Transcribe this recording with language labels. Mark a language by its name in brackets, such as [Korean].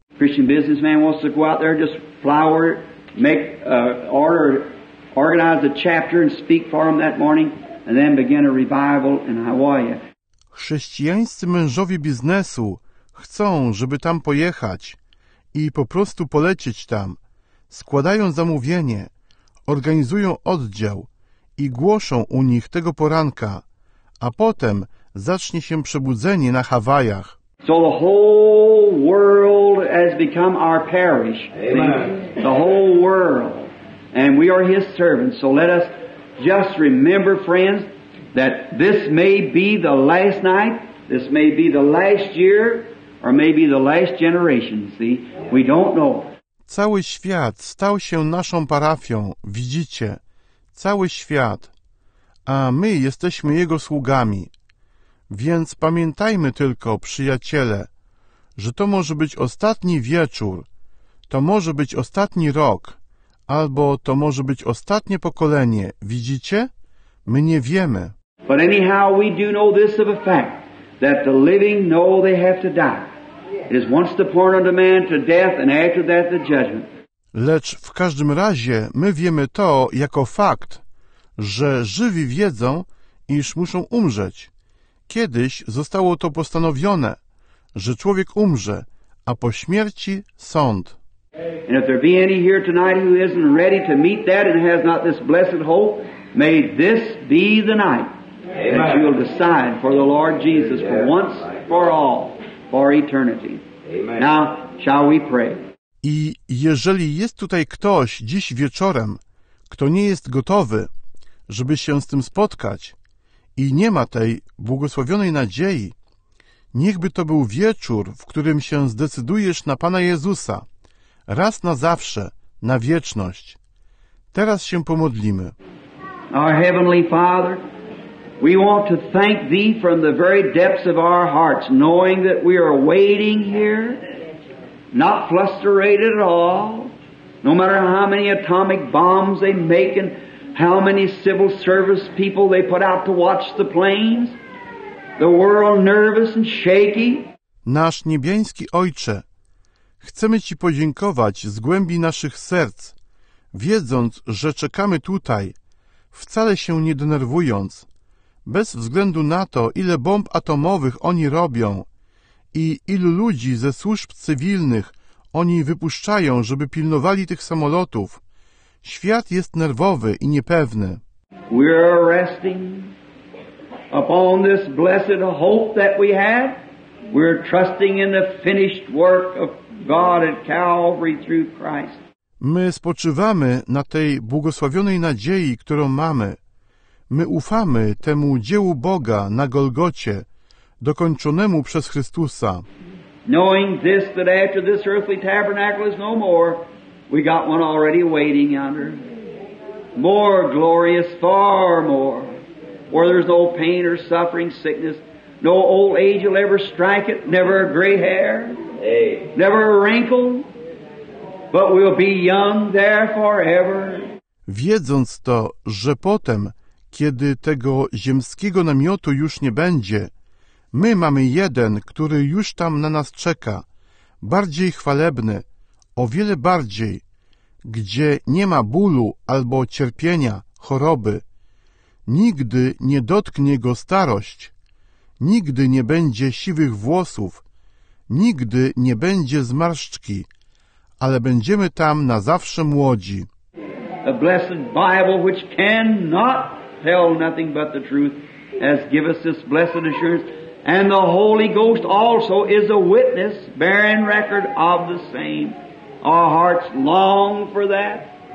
[English] Christian businessman wants to go out there, just flower, make order, organize a chapter and speak for them that morning, and then begin a revival in Hawaii. [Polish] Chrześcijańscy mężowie biznesu chcą, żeby tam pojechać i po prostu polecieć tam, składają zamówienie, organizują oddział i głoszą u nich tego poranka, a potem zacznie się przebudzenie na Hawajach. [English] So the whole world has become our parish. Amen. The whole world. And we are his servants. So let us just remember, friends, that this may be the last night, this may be the last year, or maybe the last generation, see? We don't know. [Polish] Cały świat stał się naszą parafią, widzicie? Cały świat. A my jesteśmy jego sługami. Więc pamiętajmy tylko, przyjaciele, że to może być ostatni wieczór, to może być ostatni rok, albo to może być ostatnie pokolenie, widzicie? My nie wiemy. [English] But anyhow, we do know this of a fact, that the living know they have to die. It is once the point of the man to death, and after that the judgment. [Polish] Lecz w każdym razie my wiemy to jako fakt, że żywi wiedzą, iż muszą umrzeć. Kiedyś zostało to postanowione, że człowiek umrze, a po śmierci sąd. [English] And if there be any here tonight who isn't ready to meet that and has not this blessed hope, may this be the night that you will decide for the Lord Jesus for once, for all, for eternity. Amen. Now, shall we pray? [Polish] I jeżeli jest tutaj ktoś dziś wieczorem, kto nie jest gotowy, żeby się z tym spotkać i nie ma tej błogosławionej nadziei, niechby to był wieczór, w którym się zdecydujesz na Pana Jezusa, raz na zawsze, na wieczność. Teraz się pomodlimy. [English] Our Heavenly Father, we want to thank Thee from the very depths of our hearts, knowing that we are waiting here, not flustered at all, no matter how many atomic bombs they make and how many civil service people they put out to watch the planes, the world nervous and shaky. [Polish] Nasz niebiański Ojcze, chcemy Ci podziękować z głębi naszych serc, wiedząc, że czekamy tutaj, wcale się nie denerwując, bez względu na to, ile bomb atomowych oni robią i ilu ludzi ze służb cywilnych oni wypuszczają, żeby pilnowali tych samolotów. Świat jest nerwowy i niepewny. [English] We are resting upon this blessed hope that we have. We are trusting in the finished work of God at Calvary through Christ. [Polish] My spoczywamy na tej błogosławionej nadziei, którą mamy. My ufamy temu dziełu Boga na Golgocie, dokończonemu przez Chrystusa. [English] Knowing this, that after this earthly tabernacle is no more, we got one already waiting yonder. More glorious, far more, where there's no pain or suffering, sickness. No old age will ever strike it, never a gray hair. Never a wrinkle, but we'll be young there forever. [Polish] Wiedząc to, że potem, kiedy tego ziemskiego namiotu już nie będzie, my mamy jeden, który już tam na nas czeka, bardziej chwalebny, o wiele bardziej, gdzie nie ma bólu albo cierpienia, choroby. Nigdy nie dotknie go starość, nigdy nie będzie siwych włosów, nigdy nie będzie zmarszczki, ale będziemy tam na zawsze młodzi. [English] A blessed Bible, which cannot tell nothing but the truth, has given us this blessed assurance, and the Holy Ghost also is a witness, bearing record of the same. Our hearts long for that.